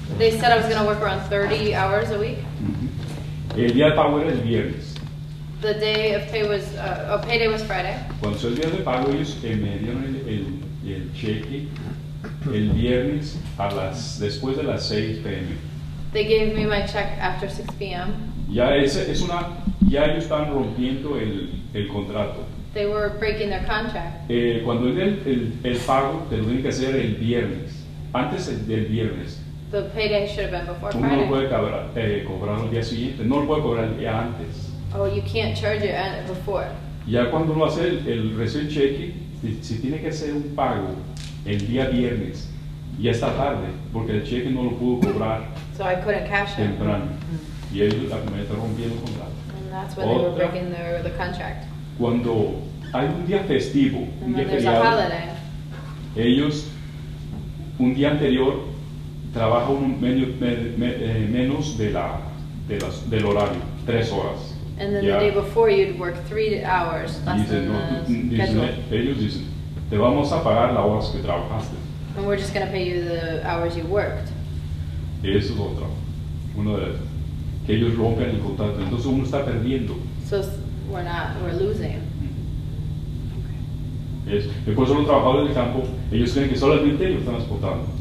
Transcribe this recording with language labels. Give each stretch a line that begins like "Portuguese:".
English: They said I was going to work around 30 hours a week.
Spanish: Uh-huh. El día de pago era el viernes.
English: The day of payday was Friday.
Spanish: Cuando fue el día de pago, ellos me dieron el cheque el viernes después de las 6 p.m.
English: They gave me my check after 6 p.m.
Spanish: Ya ellos están rompiendo el contrato.
English: They were breaking their contract.
Spanish: Cuando es el pago, te lo tienen que hacer el viernes, antes del viernes.
English: The payday should have been before Friday.
Spanish: Uno lo puede cobrar el día siguiente, no lo puede cobrar el día antes.
English: Oh, you can't charge it before.
Spanish: Ya cuando uno hace el recibe cheque, si tiene que hacer un pago el día viernes, ya está tarde, porque el cheque no lo pudo cobrar.
English: So I couldn't cash
Spanish: temprano.
English: It.
Spanish: Y ellos me están rompiendo el contrato.
English: And that's when they were breaking the contract.
Spanish: Cuando hay un día festivo,
English: and
Spanish: un día feriado, ellos, un día anterior, trabajan menos del horario, 3 horas.
English: And then the day before, you'd work 3 hours less
Spanish: Te vamos a pagar las horas que trabajaste.
English: And we're just going to pay you the hours you worked.
Spanish: Eso es otro. Uno de esos. Que ellos rompen el contrato. Entonces uno está perdiendo.
English: So we're losing.
Spanish: Okay. Después son los trabajadores del campo. Ellos creen que solamente ellos están explotando.